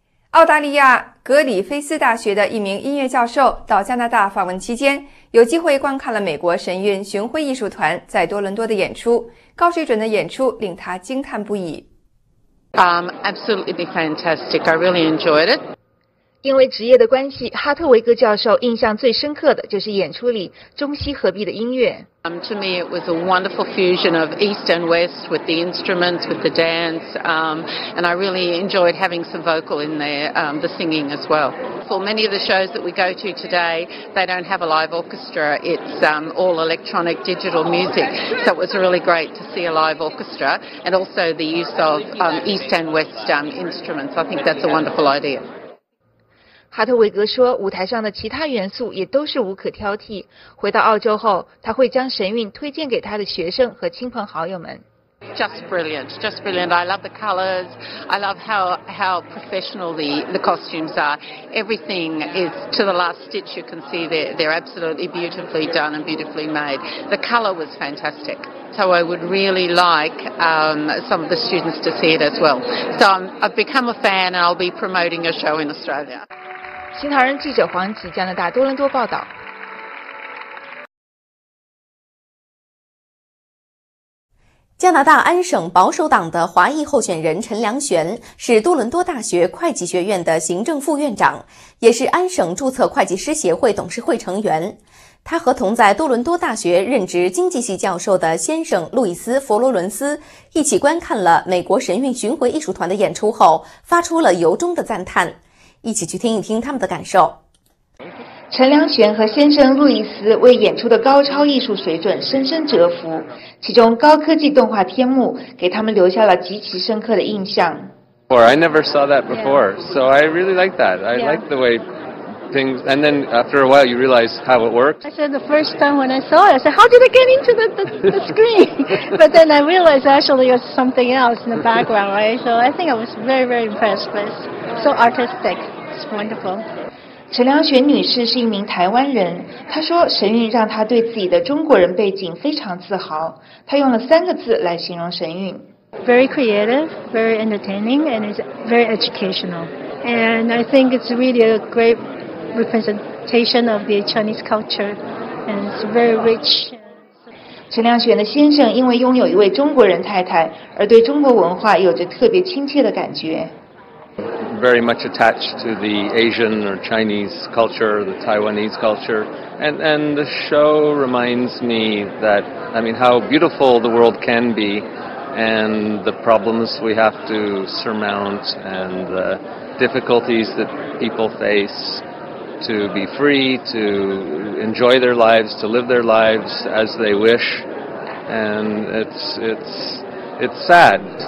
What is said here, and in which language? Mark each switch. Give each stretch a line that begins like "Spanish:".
Chinese: 澳大利亚格里菲斯大学的一名音乐教授到加拿大访问期间，有机会观看了美国神韵巡回艺术团在多伦多的演出，高水准的演出令他惊叹不已。
English: Absolutely fantastic. I really enjoyed it.
Chinese: 因为职业的关系，哈特维格教授印象最深刻的就是演出里中西合璧的音乐。
English: To me, it was a wonderful fusion of East and West with the instruments, with the dance, and I really enjoyed having some vocal in there, the singing as well. For many of the shows that we go to today, they don't have a live orchestra. It's all electronic digital music. So it was really great to see a live orchestra and also the use of East and West instruments. I think that's a wonderful idea.
Chinese: 哈特维格说，舞台上的其他元素也都是无可挑剔。回到澳洲后，他会将神韵推荐给他的学生和亲朋好友们。
English: Just brilliant, just brilliant. I love the colors. I love how professional the costumes are. Everything is to the last stitch. You can see they're absolutely beautifully done and beautifully made. The color was fantastic. So I would really like some of the students to see it as well. So I've become a fan and I'll be promoting a show in Australia.
Chinese: 新唐人记者黄琦，加拿大多伦多报道。加拿大安省保守党的华裔候选人陈良璇是多伦多大学会计学院的行政副院长，也是安省注册会计师协会董事会成员。他和同在多伦多大学任职经济系教授的先生路易斯·佛罗伦斯一起观看了美国神韵巡回艺术团的演出后，发出了由衷的赞叹。一起去听一听他们的感受。陈良璇和先生路易斯为演出的高超艺术水准深深折服，其中高科技动画天幕给他们留下了极其深刻的印象。
English: I never saw that before, so I really like that. I like the way things, and then after a while you realize how it works. I said the first time when I saw it, I said, how did it get into the screen? But then I realized actually it was something else in the background, right? So I think I was very, very impressed with it. So artistic, it's wonderful.
Chinese: 陈良璇女士是一名台湾人，她说神韵让她对自己的中国人背景非常自豪。她用了三个字来形容神韵。
English: very creative, very entertaining, and it's very educational. And I think it's really a great representation of the Chinese culture, and it's very rich.
Chinese: 陈亮轩的先生因为拥有一位中国人太太，而对中国文化有着特别亲切的感觉。
English: Very much attached to the Asian or Chinese culture, the Taiwanese culture, and the show reminds me that, I mean, how beautiful the world can be, and the problems we have to surmount, and the difficulties that people face to be free, to enjoy their lives, to live their lives as they wish, and it's sad.